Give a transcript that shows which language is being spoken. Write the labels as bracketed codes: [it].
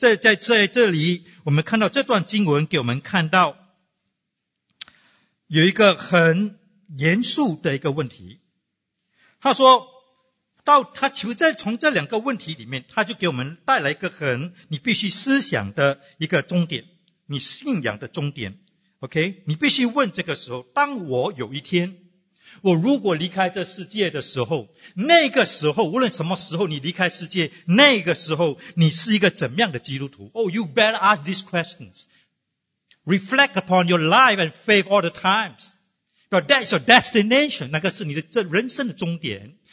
[zh] 在这里我们看到这段经文给我们看到有一个很严肃的一个问题，他说到他其实在从这两个问题里面，他就给我们带来一个很你必须思想的一个终点，你信仰的终点。 OK， 你必须问这个时候，当我有一天我如果离开这世界的时候，那个时候无论什么时候你离开世界，那个时候你是一个怎样的基督徒？ [en] Oh, you better ask these questions. Reflect upon your life and faith all the times. But that's your destination. [zh] 那个是你的人生的终点。